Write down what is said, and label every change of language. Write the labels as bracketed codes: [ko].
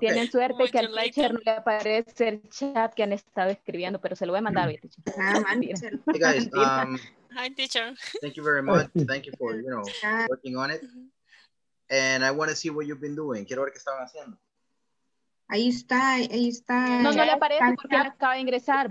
[es] Tienen suerte que al teacher no le aparece el chat que han estado escribiendo, pero se lo voy a mandar a mi teacher. [en] Hey guys, hi teacher. Thank you very much. Thank you for, you know, working on it. And I want to see what you've been doing. [es] Quiero ver qué estaban haciendo. Ahí está, ahí está. No, no le aparece porque él acaba de ingresar.